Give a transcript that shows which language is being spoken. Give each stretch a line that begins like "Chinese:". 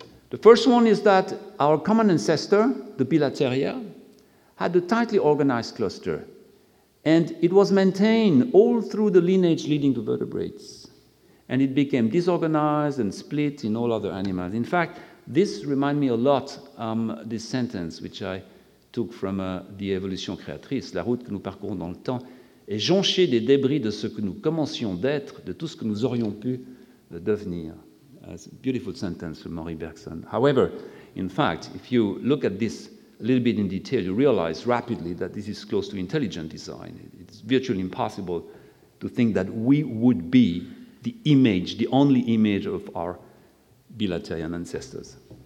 English: The first one is that our common ancestor, the Bilateria, had a tightly organized cluster, and it was maintained all through the lineage leading to vertebrates. And it became disorganized and split in all other animals. In fact, this reminds me a lot of this sentence, which I took from the Evolution Créatrice.
French: La route que nous parcourons dans le temps est jonchée des débris de ce que nous commencions d'être, de tout ce que nous aurions pu devenir.
English: That's a beautiful sentence from Henri Bergson. However, in fact, if you look at this a little bit in detail, you realize rapidly that this is close to intelligent design. It's virtually impossible to think that we would be the image, the only image of our bilaterian ancestors.